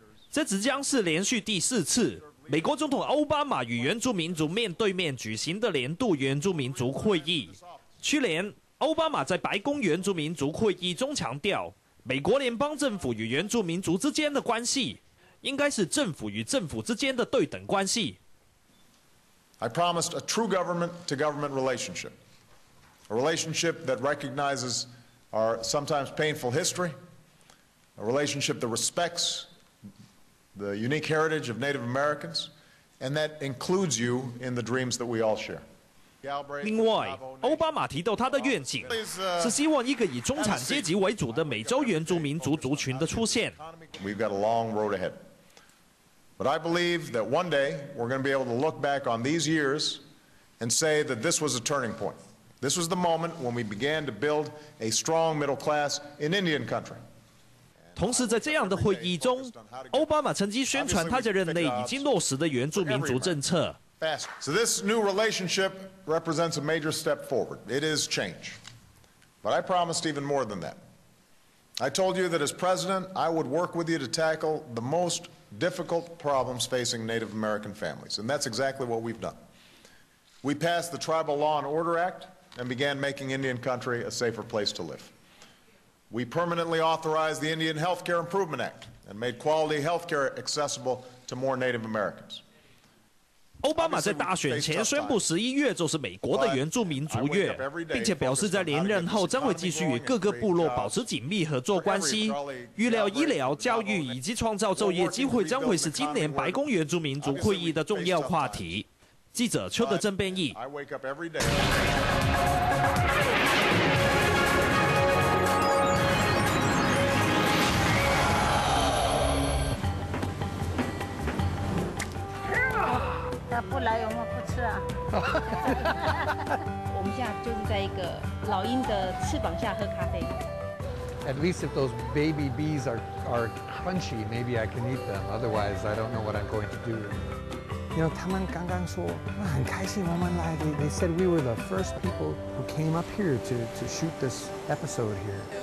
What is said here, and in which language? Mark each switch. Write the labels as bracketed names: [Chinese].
[Chinese] 这即将是连续第4次美国总统奥巴马与原住民族面对面举行的年度原住民族会议。去年，奥巴马在白宫原住民族会议中强调，美国联邦政府与原住民族之间的关系应该是政府与政府之间的对等关系。 [English] I promised a true government to government relationship, a relationship that recognizes our sometimes painful history, a relationship that respects the unique heritage of Native Americans, and that includes you in the dreams that we all share. [Chinese] 另外，奥巴马提到他的愿景是希望一个以中产阶级为主的美洲原住民族族群的出现。 [English] We've got a long road ahead, but I believe that one day we're going to be able to look back on these years and say that this was a turning point. This was the moment when we began to build a strong middle class in Indian country. [Chinese] 同时，在这样的会议中，奥巴马曾经宣传他在任内已经落实的原住民族政策。 [English] So this new relationship represents a major step forward. It is change. But I promised even more than that. I told you that as president, I would work with you to tackle the most difficult problems facing Native American families. And that's exactly what we've done. We passed the Tribal Law and Order Act and began making Indian Country a safer place to live. We permanently authorized the Indian Health Care Improvement Act and made quality health care accessible to more Native Americans. [Chinese] 奥巴马在大选前宣布11月就是美国的原住民族月，并且表示在连任后将会继续与各个部落保持紧密合作关系，预料医疗、教育以及创造就业机会将会是今年白宫原住民族会议的重要话题。记者邱德正编译。不来有没有不吃啊？我们现在就是在一个老鹰的翅膀下喝咖啡。 [English] At least if those baby bees are crunchy, maybe I can eat them. Otherwise, I don't know what I'm going to do. You know, [Chinese] 他们刚刚说很开心我们来。 [English] They said we were the first people who came up here to shoot this episode here.